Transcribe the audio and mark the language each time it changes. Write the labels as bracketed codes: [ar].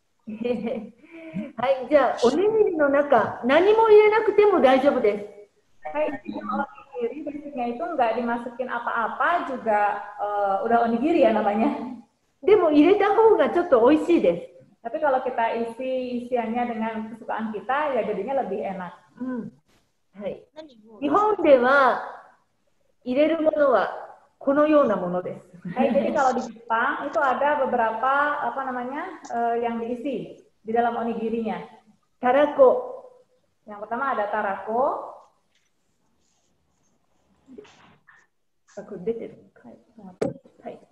[ja] はい、じゃあおにぎりの中何も入れなくても大丈夫です。 [id] はい、おにぎり別に nggak dimasukin apa-apa juga udah onigiri ya namanya. [ja] でも入れた方がちょっと美味しいです。 [id] Tapi kalau kita isi isiannya dengan kesukaan kita ya jadinya lebih enak. [ja] はい。日本では入れるものはこのようなものです。 [id] Hey, jadi kalau di Jepang itu ada beberapa apa namanya yang diisi di dalam onigirinya. [ja] Tarako. [id] Yang pertama ada tarako. Aku detik. Hai.